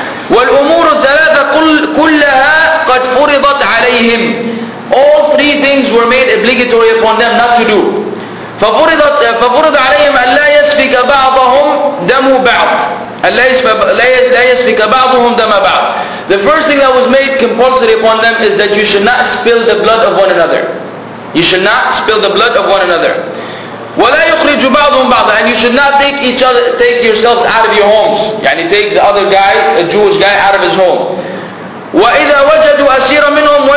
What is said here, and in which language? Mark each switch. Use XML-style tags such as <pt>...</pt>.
<ar>والأمور الثلاثة كلها قد فرضت عليهم.</ar> <en>All three things were made obligatory upon them not to do.</en> <ar>ففرض عليهم أن لا يسفك بعضهم دم بعض. لا يسفك بعضهم دم بعض.</ar> <en>The first thing that was made compulsory upon them is that you should not spill the blood of one another. You should not spill the blood of one another.</en> <ar>ولا يخرج بعضهم بعضا.</ar> <en>And you should not take yourselves out of your homes. يعني take the other guy, a Jewish guy, out of his home.</en> <ar>وإذا وجدوا أسيرا منهم</ar>